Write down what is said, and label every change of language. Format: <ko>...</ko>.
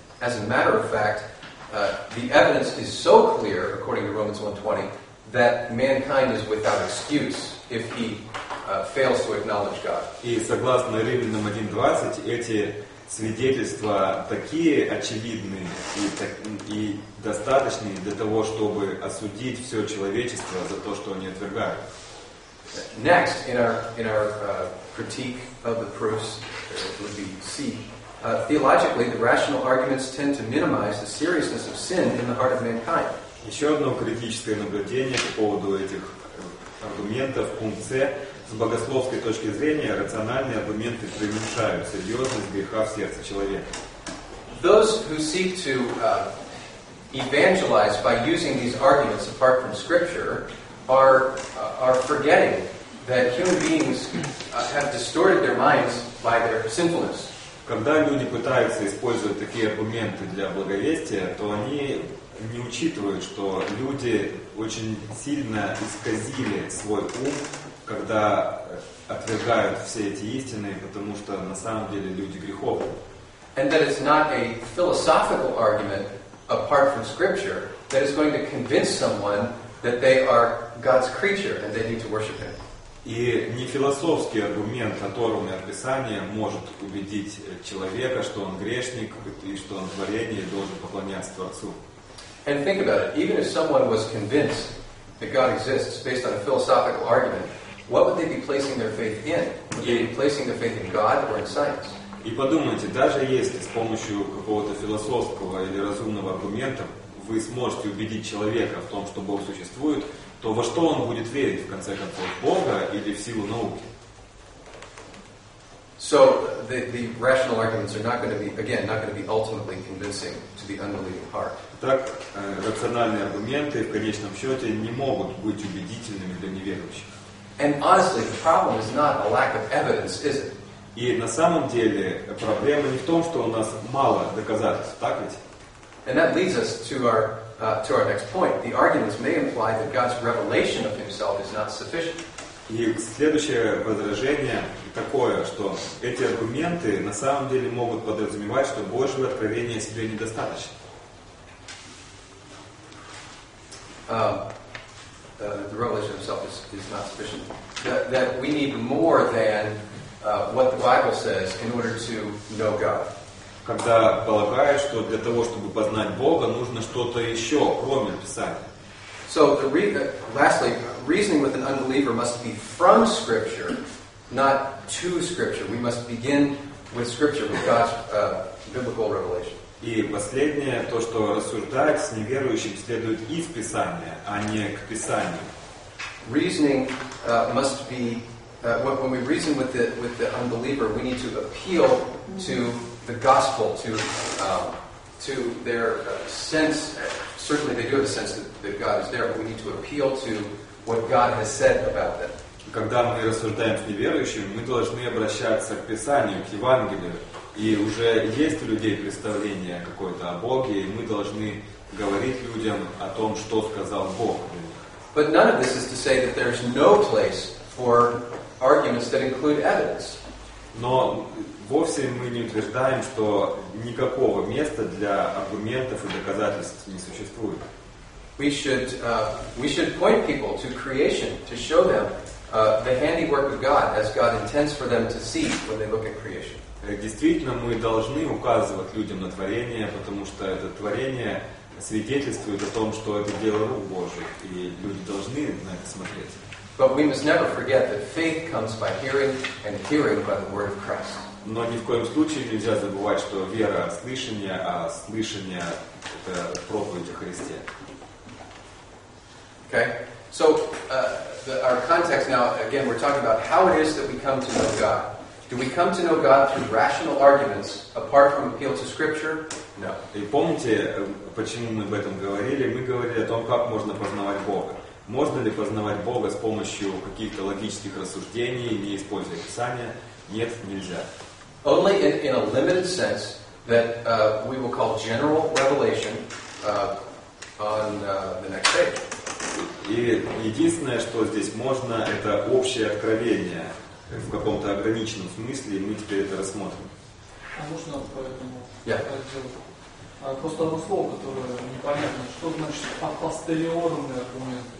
<en>As a matter of fact, the evidence is so clear, according to Romans 1:20, that mankind is without excuse if he fails to acknowledge God.</en> <ru>И согласно Римлянам 1:20, эти свидетельства такие очевидные и достаточные для того, чтобы осудить все человечество за то, что они отвергают.</ru> <en>Next, in our critique of the proofs, would be C. Theologically, the rational arguments tend to minimize the seriousness of sin in the heart of mankind.</en> <ru>Еще одно критическое наблюдение по поводу этих аргументов, пункт С. С богословской точки зрения, рациональные аргументы преуменьшают серьезность греха в сердце человека.</ru> <en>Those who seek to evangelize by using these arguments apart from Scripture are forgetting that human beings have distorted their minds by their sinfulness.</en> <ru>Когда люди пытаются использовать такие аргументы для благовестия, то они не учитывают, что люди очень сильно исказили свой ум, когда отвергают все эти истины, потому что на самом деле люди греховны.</ru> <en>And that it's not a philosophical argument apart from Scripture that is going to convince someone that they are God's creature and they need to worship Him.</en> <ru>И не философский аргумент, оторванный от Писания, может убедить человека, что он грешник и что он творение и должен поклоняться Творцу.</ru> <en>And think about it. Even if someone was convinced that God exists based on a philosophical argument, what would they be placing their faith in? Would they be placing their faith in God or in science?</en> <ru>И подумайте, даже если с помощью какого-то философского или разумного аргумента вы сможете убедить человека в том, что Бог существует, то во что он будет верить, в конце концов, в Бога или в силу науки?</ru> <en>So the rational arguments are not going to be ultimately convincing to the unbelieving heart.</en> <ru>Так, рациональные аргументы в конечном счете не могут быть убедительными для неверующих.</ru> <en>And honestly, the problem is not a lack of evidence, is it?</en> <ru>И на самом деле проблема не в том, что у нас мало доказательств, так ведь?</ru> <en>And that leads us to our next point. The arguments may imply that God's revelation of Himself is not sufficient.</en> <ru>И следующее возражение такое, что эти аргументы на самом деле могут подразумевать, что Божьего откровения о себе недостаточно.</ru> <en>The revelation of self is not sufficient. That we need more than what the Bible says in order to know God.</en> <ru>Когда полагаешь, что для того, чтобы познать Бога, нужно что-то еще, кроме Писания.</ru> <en>So, lastly, reasoning with an unbeliever must be from Scripture, not to Scripture. We must begin with Scripture, with God's biblical revelation.</en> <ru>И последнее, то, что рассуждать с неверующим следует из Писания, а не к Писанию.</ru> <en>Reasoning must be, when we reason with the unbeliever, we need to appeal to the gospel, to their sense. Certainly they do have a sense that God is there, but we need to appeal to what God has said about them.</en> <ru>Когда мы рассуждаем с неверующим, мы должны обращаться к Писанию, к Евангелию. И уже есть у людей представление какое-то о Боге, и мы должны говорить людям о том, что сказал Бог.</ru> <en>But none of this is to say that there's no place for arguments that include evidence.</en> <ru>Но вовсе мы не утверждаем, что никакого места для аргументов и доказательств не существует.</ru> <en>We should point people to creation to show them the handiwork of God as God intends for them to see when they look at creation.</en> <ru>Действительно, мы должны указывать людям на творение, потому что это творение свидетельствует о том, что это дело рук Божьих, и люди должны на это смотреть.</ru> <en>But we must never forget that faith comes by hearing, and hearing by the word of Christ.</en> <ru>Но ни в коем случае нельзя забывать, что вера – слышание, а слышание – это проповедь о Христе.</ru> <en>Okay. So, our context now, again, we're talking about how it is that we come to know God. Do we come to know God through rational arguments, apart from appeal to Scripture? No.</en> <ru>И помните, почему мы об этом говорили? Мы говорили о том, как можно познавать Бога. Можно ли познавать Бога с помощью каких-то логических рассуждений, не используя Писания? Нет, нельзя.</ru> <en>Only in a limited sense that we will call general revelation on the next page.</en> <ru>И единственное, что здесь можно, это общее откровение в каком-то ограниченном смысле, и мы теперь это рассмотрим. А можно поэтому просто одно слово, которое непонятно. Что значит апостериорный аргумент?</ru>